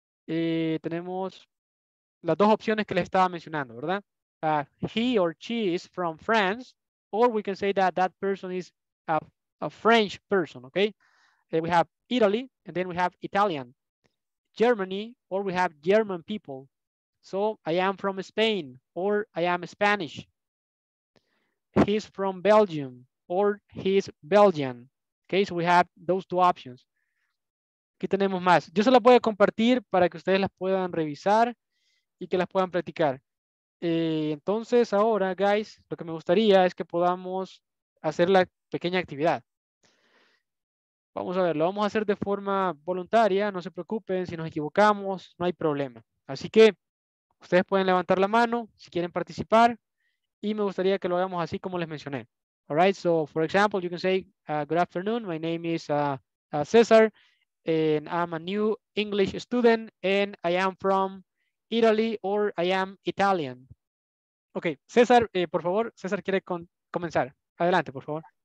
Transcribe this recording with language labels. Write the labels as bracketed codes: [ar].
[es] Tenemos las dos opciones que les estaba mencionando, ¿verdad? [en] He or she is from France. Or we can say that that person is a French person, okay? We have Italy, and then we have Italian. Germany, or we have German people. So I am from Spain, or I am Spanish. He's from Belgium, or he's Belgian. Okay, so we have those two options. [es] Aquí tenemos más. Yo se las voy a compartir para que ustedes las puedan revisar y que las puedan practicar. Entonces, ahora, guys, lo que me gustaría es que podamos hacer la pequeña actividad. Vamos a ver, lo vamos a hacer de forma voluntaria, no se preocupen, si nos equivocamos, no hay problema. Así que, ustedes pueden levantar la mano si quieren participar, y me gustaría que lo hagamos así como les mencioné. [en] All right, so, for example, you can say, good afternoon, my name is Cesar, and I'm a new English student, and I am from Italy, or I am Italian. [es] Okay, César, por favor, César quiere comenzar. Adelante, por favor.